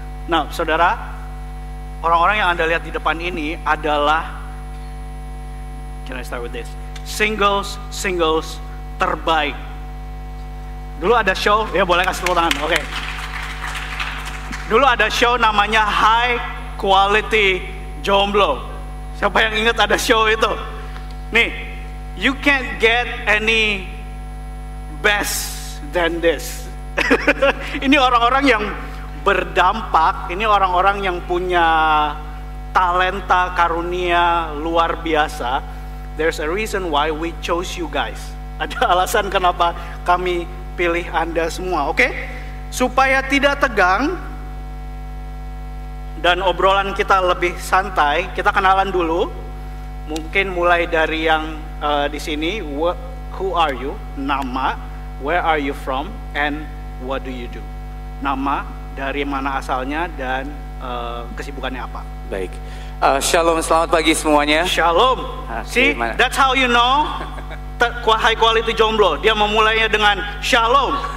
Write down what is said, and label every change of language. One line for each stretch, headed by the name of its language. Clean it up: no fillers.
Indonesian: Nah, saudara, orang-orang yang Anda lihat di depan ini adalah,
English: can I start with this?
Indonesian: Singles terbaik. Dulu ada show, ya boleh kasih tepuk tangan, oke. Dulu ada show namanya High Quality Jomblo. Siapa yang ingat ada show itu?
English: Nih, you can't get any best than this.
Indonesian: Ini orang-orang yang berdampak, ini orang-orang yang punya talenta karunia luar biasa.
English: There's a reason why we chose you guys.
Indonesian: Ada alasan kenapa kami pilih Anda semua, oke? Supaya tidak tegang dan obrolan kita lebih santai, kita kenalan dulu. Mungkin mulai dari yang di sini,
English: who are you? Nama, where are you from, and what do you do?
Indonesian: Nama, dari mana asalnya, dan kesibukannya apa? Baik. Shalom, selamat pagi semuanya. Shalom.
English: See, that's how you know high quality jomblo.
Indonesian: Dia memulainya dengan shalom.